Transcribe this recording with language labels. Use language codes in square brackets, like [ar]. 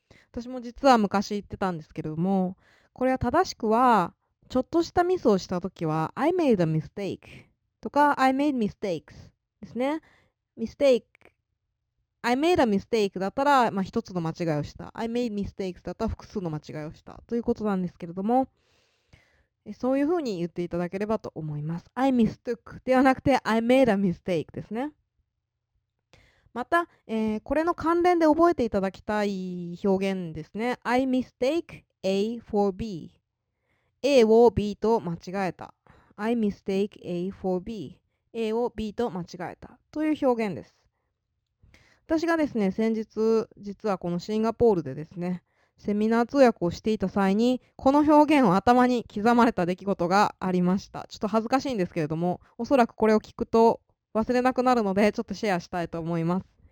[ja] 私も実は昔言ってたんですけれども、これは正しくはちょっとしたミスをしたときは [en] I made a mistake [ja] とか [en] I made mistakes [ja] ですね。 [en] I made a mistake [ja] だったら、まあ、一つの間違いをした。 [en] I made mistakes [ja] だったら複数の間違いをしたということなんですけれども、そういうふうに言っていただければと思います。 [en] I mistook [ja] ではなくて [en] I made a mistake [ja] ですね。また、これの関連で覚えていただきたい表現ですね。 [en] I mistake A for B。 [ja] A を B と間違えた。 [en] I mistake A for B。 [ja] A を B と間違えたという表現です。私がですね、先日実はこのシンガポールでですね、セミナー通訳をしていた際にこの表現を頭に刻まれた出来事がありました。ちょっと恥ずかしいんですけれども、おそらくこれを聞くと忘れなくなるのでちょっとシェアしたいと思います。